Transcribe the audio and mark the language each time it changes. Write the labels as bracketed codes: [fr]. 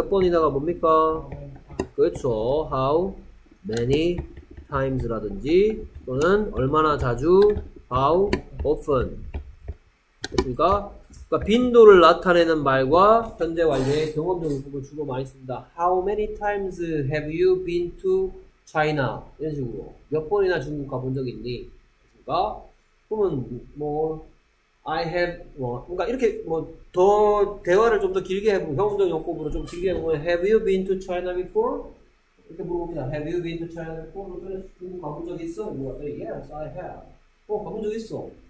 [ko] 몇 번이나가 뭡니까? 그렇죠. [en] How many times [ko] 라든지 또는 얼마나 자주? [en] How often? [ko] 그렇습니까? 그러니까 빈도를 나타내는 말과 현재 완료의 경험적 용법을 주로 많이 씁니다. [en] How many times have you been to China? [ko] 이런 식으로 몇 번이나 중국 가본 적 있니? 그러니까 그러면 뭐 I have 뭐 그러니까 이렇게 뭐더 대화를 좀더 길게 해보고 경험적 용법으로 좀 길게 해보면 [en] Have you been to China before? [ko] 이렇게 물어봅니다. [en] Have you been to China before? [ko] 중국 가본 적 있어? [en] 뭐 Yes, I have. [ko] 가본 적 있어?